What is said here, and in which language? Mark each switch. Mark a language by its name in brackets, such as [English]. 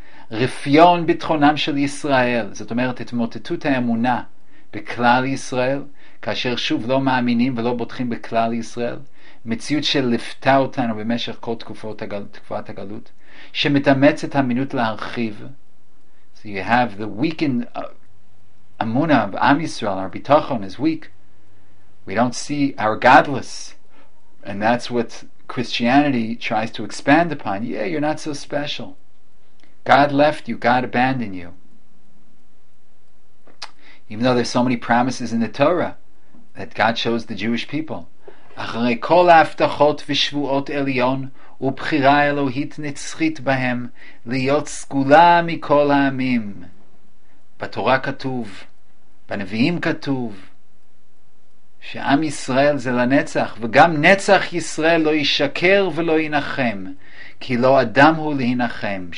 [Hebrew] רפיון ביטחונם של ישראל, זאת אומרת התמוטטות האמונה בכלל ישראל, כאשר שוב לא מאמינים ולא בוטחים בכלל ישראל, מציאות שלפתה אותנו במשך כל תקופת הגלות, שמתאמץ את האמינות להרחיב. [English] So you have the weakened אמונה of עם ישראל, our ביטחון is weak. We don't see our godless, and that's what Christianity tries to expand upon. Yeah, you're not so special. God left you, God abandoned you. Even though there's so many promises in the Torah that God chose the Jewish people. [Hebrew] אחרי כל ההבטחות ושבועות עליון ובחירה אלוהית נצחית בהם להיות סגולה מכל העמים. בתורה כתוב, בנביאים כתוב, שעם ישראל זה לנצח, וגם נצח ישראל לא ישקר ולא ינחם, כי לא אדם הוא להינחם.